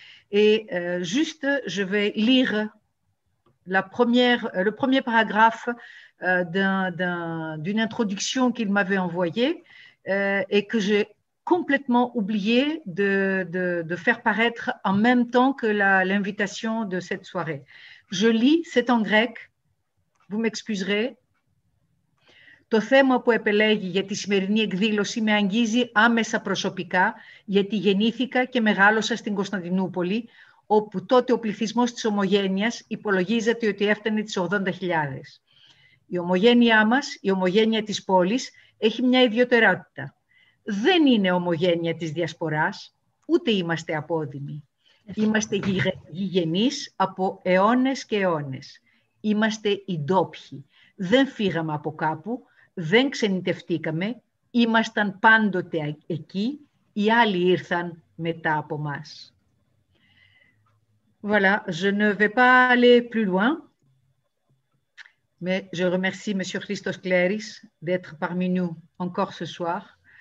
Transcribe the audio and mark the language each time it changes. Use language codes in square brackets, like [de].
[fr] Et juste, je vais lire le premier paragraphe d'une introduction qu'il m'avait envoyée et que j'ai complètement oublié de faire paraître en même temps que l'invitation de cette soirée. Je lis, c'est en grec, vous m'excuserez. [el] Το θέμα που επελέγει για τη σημερινή εκδήλωση με αγγίζει άμεσα προσωπικά, γιατί γεννήθηκα και μεγάλωσα στην Κωνσταντινούπολη, όπου τότε ο πληθυσμός της Ομογένειας υπολογίζεται ότι έφτανε τις 80.000. Η Ομογένειά μας, η Ομογένεια της πόλης, έχει μια ιδιαιτερότητα. Δεν είναι Ομογένεια της Διασποράς, ούτε είμαστε απόδημοι. Είμαστε γηγενείς από αιώνες και αιώνες. Είμαστε οι ντόπιοι. Δεν φύγαμε από κάπου, δεν ξενιτευτήκαμε, ήμασταν πάντοτε εκεί, οι άλλοι ήρθαν μετά από μας. [fr] Voilà, je ne vais pas aller plus loin, mais je remercie Monsieur Christos Kleris d'être parmi nous encore ce soir.